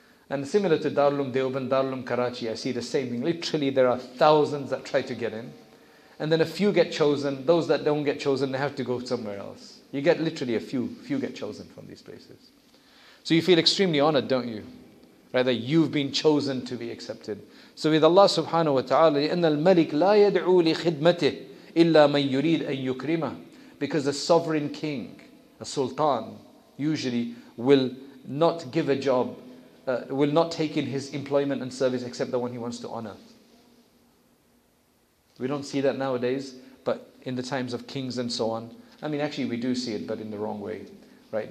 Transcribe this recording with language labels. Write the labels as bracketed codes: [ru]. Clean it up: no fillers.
[en] And similar to Darulum Deoband, Darulum Karachi, I see the same thing. Literally, there are thousands that try to get in. And then a few get chosen. Those that don't get chosen, they have to go somewhere else. You get literally a few get chosen from these places. So you feel extremely honored, don't you? Right, that you've been chosen to be accepted. So with [ar] Allah subhanahu wa ta'ala, إِنَّ الْمَلِكَ لَا يَدْعُو لِخِدْمَتِهِ إِلَّا مَنْ يُرِيدَ أَنْ يُكْرِمَهِ. [en] Because a sovereign king, a sultan, usually will not give a job, will not take in his employment and service except the one he wants to honor. We don't see that nowadays, but in the times of kings and so on, I mean, actually we do see it, but in the wrong way, right?